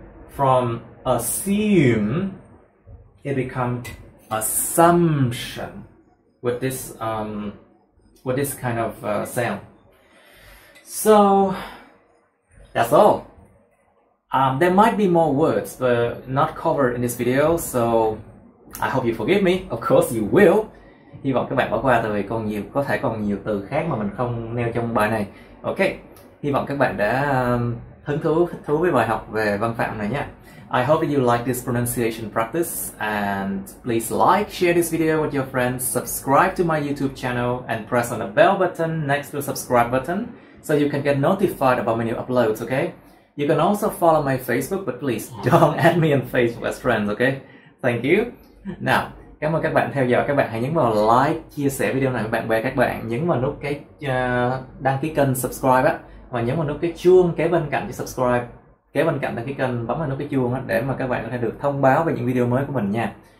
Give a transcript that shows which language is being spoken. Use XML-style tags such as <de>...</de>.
<en>From assume, it becomes assumption with this kind of sound. So that's all. There might be more words, but not covered in this video. So I hope you forgive me. Of course you will.</en> <vi>Hy vọng các bạn bỏ qua, tại vì có thể còn nhiều từ khác mà mình không nêu trong bài này. Okay. Hy vọng các bạn đã thích thú với bài học về văn phạm này nhé.</vi> <en>I hope that you like this pronunciation practice, and please like, share this video with your friends, subscribe to my YouTube channel, and press on the bell button next to the subscribe button so you can get notified about my new uploads, okay? You can also follow my Facebook, but please don't add me on Facebook as friends, okay? Thank you.</en> <vi>Now, cảm ơn các bạn theo dõi. Các bạn hãy nhấn vào like, chia sẻ video này với bạn bè các bạn, nhấn vào nút cái đăng ký kênh subscribe á, và nhấn vào nút cái chuông kế bên cạnh để subscribe. Kế bên cạnh đăng ký kênh, bấm vào nút cái chuông để mà các bạn có thể được thông báo về những video mới của mình nha.</vi>